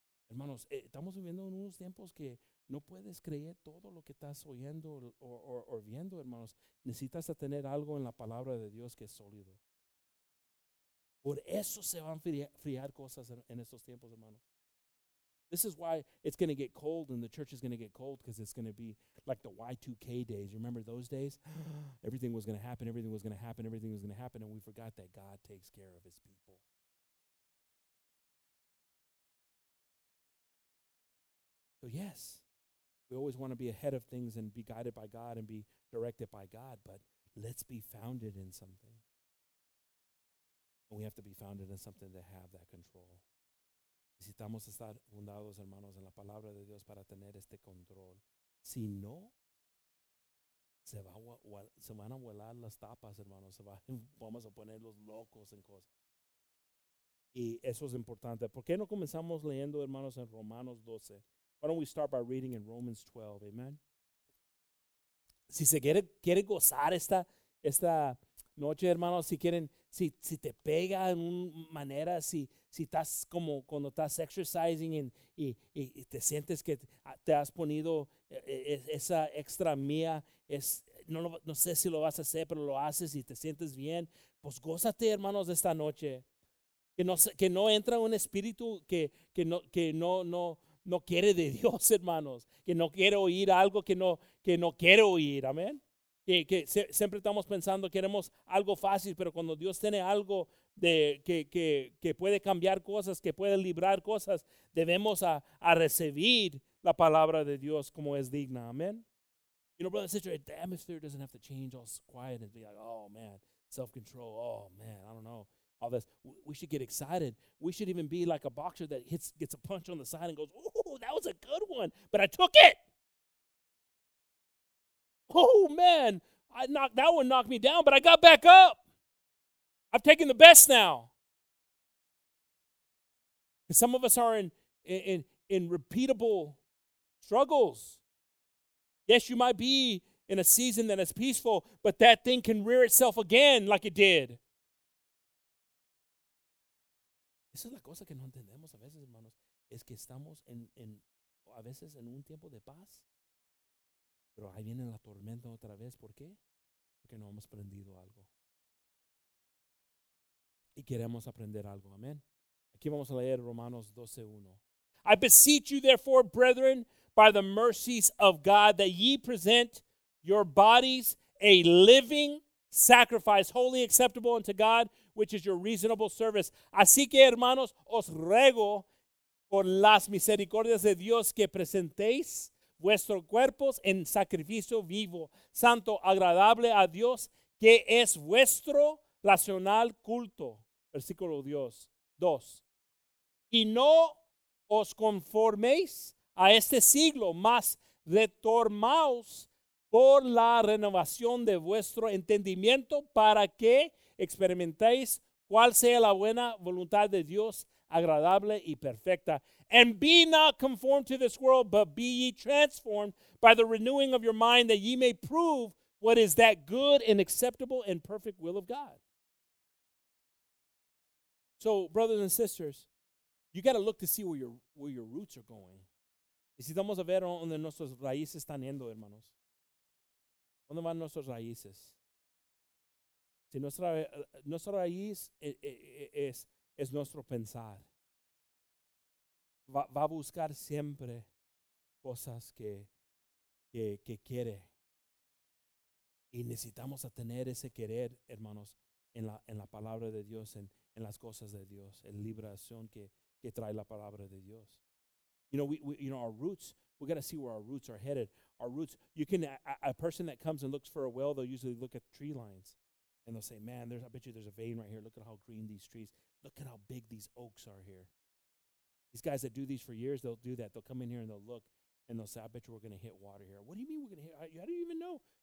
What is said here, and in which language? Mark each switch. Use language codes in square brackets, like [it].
[es] Hermanos, estamos viviendo en unos tiempos que no puedes creer todo lo que estás oyendo o viendo, hermanos. Necesitas tener algo en la palabra de Dios que es sólido. Por eso se van a friar cosas en estos tiempos, hermanos. [en] This is why it's going to get cold and the church is going to get cold, because it's going to be like the Y2K days. You remember those days? Everything was going to happen, everything was going to happen, everything was going to happen, and we forgot that God takes care of his people. So yes, we always want to be ahead of things and be guided by God and be directed by God, but let's be founded in something. And we have to be founded in something to have that control. [es] Necesitamos estar fundados, hermanos, en la palabra de Dios para tener este control. Si no, se van a volar las tapas, hermanos. Vamos a poner los locos en cosas. Y eso es importante. ¿Por qué no comenzamos leyendo, hermanos, en Romanos 12? [en] Why don't we start by reading in Romans 12? Amen. [es] Si se quiere gozar esta noche, hermanos, si te pega en una manera, si estás como cuando estás exercising y te sientes que te has ponido esa extra mía, no sé si lo vas a hacer, pero lo haces y te sientes bien, pues gózate, hermanos, de esta noche. Que no entra un espíritu que no quiere de Dios, hermanos, que no quiere oír algo que no quiere oír, amén. Que siempre estamos pensando, queremos algo fácil, pero cuando Dios tiene algo que puede cambiar cosas, que puede librar cosas, debemos a recibir la palabra de Dios como es digna. [en] Amen. You know, brother, sister, the atmosphere doesn't have to change all quiet and be like, oh, man, self-control, oh, man, I don't know, all this. We should get excited. We should even be like a boxer that gets a punch on the side and goes, ooh, that was a good one, but I took it. Oh, man, that one knocked me down, but I got back up. I've taken the best now. And some of us are in repeatable struggles. Yes, you might be in a season that is peaceful, but that thing can rear itself again like it did. [es] Esa es la cosa que no entendemos a veces, hermanos, es que estamos a veces en un tiempo de paz. Pero ahí viene la tormenta otra vez. ¿Por qué? Porque no hemos aprendido algo. Y queremos aprender algo. Amén. Aquí vamos a leer Romanos 12:1. [en] I beseech you therefore, brethren, by the mercies of God, that ye present your bodies a living sacrifice, wholly acceptable unto God, which is your reasonable service. [es] Así que, hermanos, os ruego por las misericordias de Dios que presentéis vuestros cuerpos en sacrificio vivo, santo, agradable a Dios, que es vuestro racional culto. Versículo 2. Y no os conforméis a este siglo, mas retormaos por la renovación de vuestro entendimiento para que experimentéis cuál sea la buena voluntad de Dios, agradable y perfecta. [en] And be not conformed to this world, but be ye transformed by the renewing of your mind, that ye may prove what is that good and acceptable and perfect will of God. So, brothers and sisters, you got to look to see where your roots are going. [es] Necesitamos ver donde nuestras raíces están yendo, hermanos. ¿Dónde van nuestras raíces? Si nuestra raíz es nuestro pensar, va a buscar siempre cosas que quiere. Y necesitamos tener ese querer, hermanos, en la palabra de Dios, en las cosas de Dios, en liberación que trae la palabra de Dios. [en] You know, our roots, we got to see where our roots are headed. Our roots, you can, a person that comes and looks for a well, they'll usually look at tree lines. And they'll say, man, I bet you there's a vein right here. Look at how green these trees. Look at how big these oaks are here. These guys that do these for years, they'll do that. They'll come in here and they'll look and they'll say, I bet you we're going to hit water here. What do you mean we're going to hit? How do you even know?